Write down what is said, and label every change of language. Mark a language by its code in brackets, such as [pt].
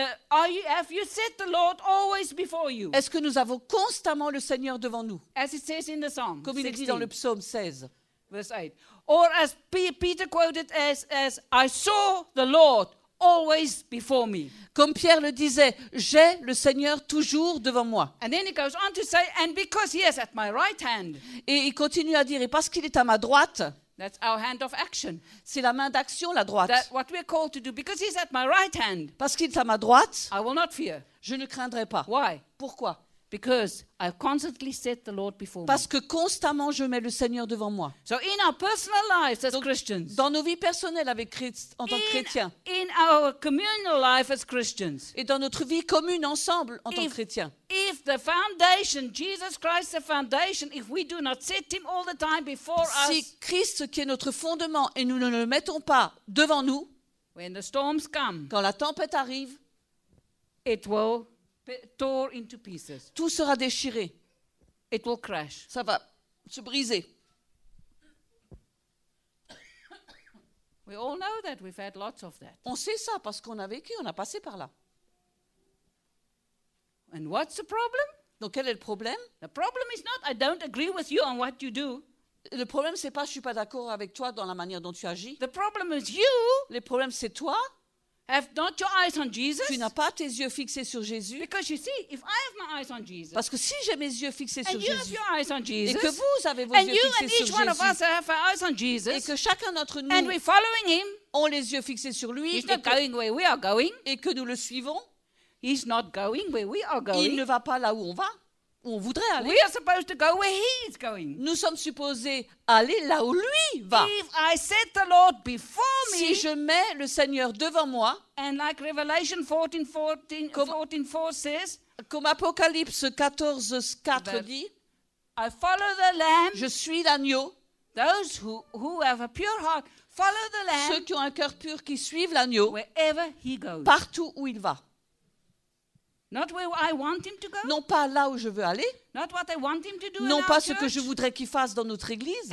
[en] Have you set the Lord always before you? [fr] Est-ce que nous avons constamment le Seigneur devant nous? [en] As it says in the Psalm. [fr] Comme il est dit dans le psaume 16, [en] verse 8. Or as Peter quoted as I saw the Lord always before me. [fr] Comme Pierre le disait, j'ai le Seigneur toujours devant moi. [en] And then he goes on to say, and because he is at my right hand. [fr] Et il continue à dire, et parce qu'il est à ma droite. [en] That's our hand of action. [fr] C'est la main d'action, la droite. [en] That what we are called to do, because he's at my right hand. [fr] Parce qu'il est à ma droite. [en] I will not fear. [fr] Je ne craindrai pas. [en] Why? [fr] Pourquoi? [en] Because I constantly set the Lord before me. [fr] Parce que constamment je mets le Seigneur devant moi. [en] So in our personal lives as Christians. [fr] Dans nos vies personnelles avec Christ en tant que chrétien. [en] In our communal life as Christians. [fr] Et dans notre vie commune ensemble en tant que chrétien. [en] If the foundation, Jesus Christ the foundation, if we do not set him all the time before us. [fr] Si Christ qui est notre fondement et nous ne le mettons pas devant nous. [en] When the storms come. [fr] Quand la tempête arrive. [en] It will tore into pieces. [fr] Tout sera déchiré. [en] It will crash. [fr] Ça va se briser. [en] We all know that we've had lots of that. [fr] On sait ça parce qu'on a vécu, on a passé par là. [en] And what's the problem? [fr] Donc quel est le problème? [en] The problem is not I don't agree with you on what you do. [fr] Le problème, c'est pas je suis pas d'accord avec toi dans la manière dont tu agis. [en] The problem is you. [fr] Le problème, c'est toi. [en] Have not your eyes on Jesus? [fr] Tu n'as pas tes yeux fixés sur Jésus. [en] Because you see, if I have my eyes on Jesus, [fr] parce que si j'ai mes yeux fixés sur Jésus, [en] have your eyes on Jesus, [fr] et que vous avez vos yeux fixés sur Jésus, [en] and each one of us have our eyes on Jesus, [fr] et que chacun d'entre nous, [en] and we're following him, [fr] ont les yeux fixés sur lui, [en] he's not going where we are going, [fr] et que nous le suivons, [en] he's not going where we are going, [fr] il ne va pas là où on va, où on voudrait aller. [en] We are supposed to go where he is going. [fr] Nous sommes supposés aller là où lui va. [en] If I set the Lord before me, [fr] si je mets le Seigneur devant moi, [en] and like Revelation 14:4 says, [fr] comme Apocalypse 14:4 dit, [en] I follow the Lamb, [fr] je suis l'agneau. [en] Those who have a pure heart follow the Lamb, [fr] ceux qui ont un cœur pur qui suivent l'agneau, [en] wherever he goes, [fr] partout où il va. [en] Not where I want him to go. [fr] Non pas là où je veux aller. [en] Not what I want him to do. [fr] Non pas ce [en] church. [fr] Que je voudrais qu'il fasse dans notre église.